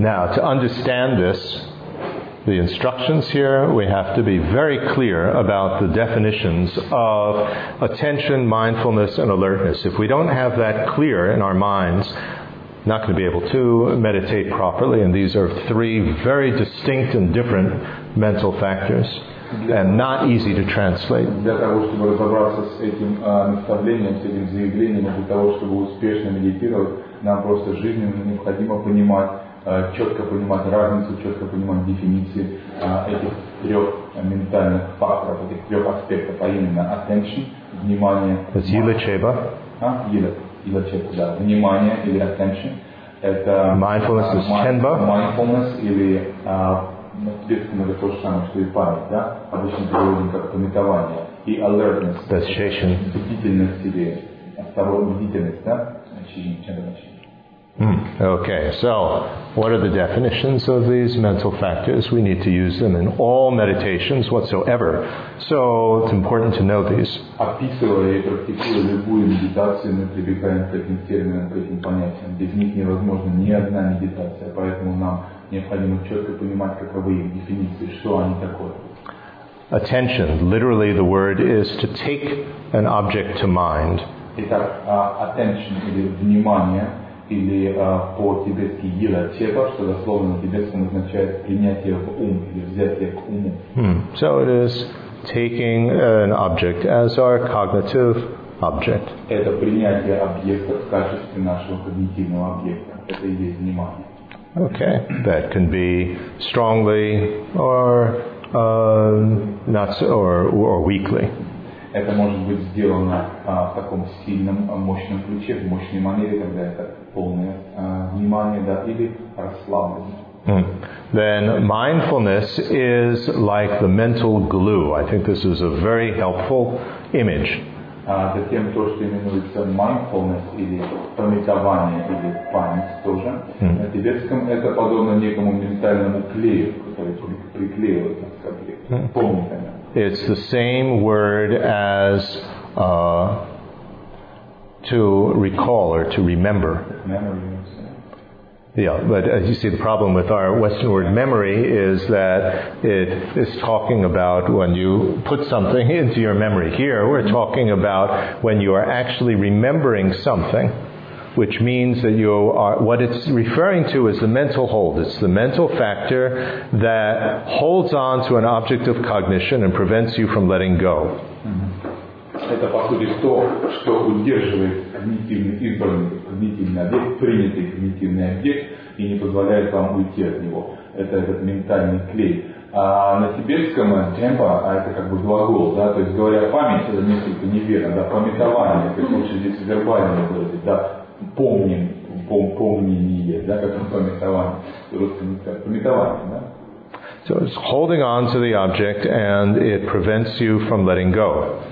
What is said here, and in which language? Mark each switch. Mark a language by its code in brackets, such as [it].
[en] Now, to understand this, the instructions here, we have to be very clear about the definitions of attention, mindfulness, and alertness. If we don't have that clear in our minds, not going to be able to meditate properly. And these are three very distinct and different mental factors, and not easy to translate. [ru] Для того, чтобы разобраться с этим наставлением, с этим заявлением, для того, чтобы успешно медитировать, нам просто жизненно необходимо понимать, четко понимать разницу, четко понимать дефиниции этих трех ментальных факторов, этих трех аспектов, а именно attention, внимание. Это Йила Чеба. Йила Чеба, да. Внимание или attention. Это [en] mindfulness is Chenba. [ru] Mindfulness или действительно это то же самое, что и память, да? Обычно переводим как пометование. И alertness. [en] That's Shishin. [ru] Бдительность или осторожность, бдительность, да? [bo] Shishin, Chenba, Shishin. [en] Okay, so what are the definitions of these mental factors? We need to use them in all meditations whatsoever. So it's important to know these. [ru] Описывая и практикуя любую медитацию, мы прибегаем к этим терминам, к этим понятиям. Без них невозможна ни одна медитация, поэтому нам необходимо четко понимать, каковы их дефиниции, что они такое. [en] Attention. Literally, the word is to take an object to mind. [ru] Итак, attention или внимание. Или по-тибетски «йила чеба», что дословно на тибетском означает «принятие в ум» или «взятие к уму». [en] So it is taking an object as our cognitive object. [ru] Это принятие объекта в качестве нашего когнитивного объекта. Это и есть внимание. [en] Okay, that can be strongly or not so, or weakly. [ru] Это может быть сделано в таком сильном, мощном ключе, в мощной манере, когда это полное внимание, да, или расслабленное. [en] Then mindfulness is like the mental glue. I think this is a very helpful image. [ru] Затем то, что именуется mindfulness, или пометование, или память тоже. На тибетском это подобно некому ментальному клею, который приклеивается к объекту. Помните. [en] It's the same word as to recall or to remember. Memory. Yeah, but as you see, the problem with our Western word memory is that it is talking about when you put something into your memory. Here, we're talking about when you are actually remembering something, which means that you are, what it's referring to is the mental hold. It's the mental factor that holds on to an object of cognition and prevents you from letting go. [ru] Это, по сути, то, что удерживает когнитивный избранный, когнитивный объект, принятый когнитивный объект и не позволяет вам уйти от него. Это этот ментальный клей. А на тибетском джемпа, а это как бы глагол, да, то есть говоря память, это несколько неверно, да, пометование, то есть лучше здесь вербально говорить, да, помним, помнение, да, как пометование, в русском языке, пометование, да. [en] So it's holding on to the object and it prevents you from letting go.